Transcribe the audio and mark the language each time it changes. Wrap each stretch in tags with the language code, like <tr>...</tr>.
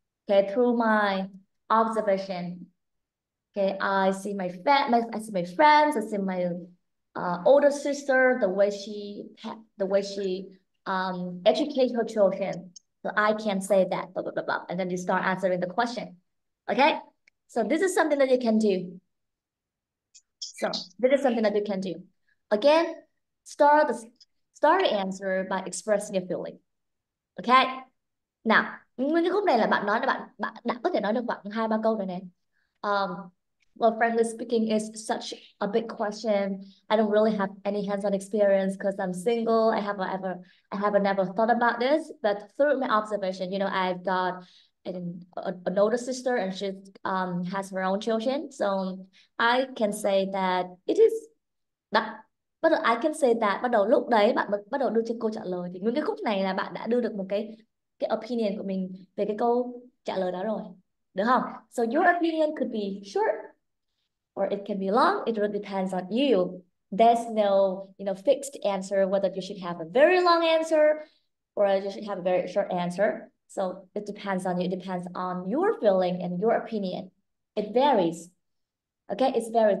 <en>Okay, through my observation. Okay, I see my friends, I see my older sister, the way she educate her children. So I can say that, blah blah blah blah. And then you start answering the question. Okay? So this is something that you can do. So this is something that you can do. Again, start the answer by expressing your feeling. Okay?</en> <vi>Now, nguyên khúc này là bạn nói, bạn đã có thể nói được khoảng hai ba câu rồi nè.</vi> <en>Well, frankly speaking, it's such a big question. I don't really have any hands-on experience because I'm single. I have never thought about this. But through my observation, you know, I've got an older sister, and she has her own children. So I can say that it is that. But I can say that</en> <vi>bắt đầu lúc đấy bạn bắt đầu đưa cho câu trả lời, thì nguyên cái khúc này là bạn đã đưa được một cái opinion của mình về cái câu trả lời đó rồi, được không?</vi> <en>So your opinion could be short, or it can be long. It really depends on you. There's no, you know, fixed answer whether you should have a very long answer or you should have a very short answer. So it depends on you. It depends on your feeling and your opinion. It varies. Okay, it varies.</en>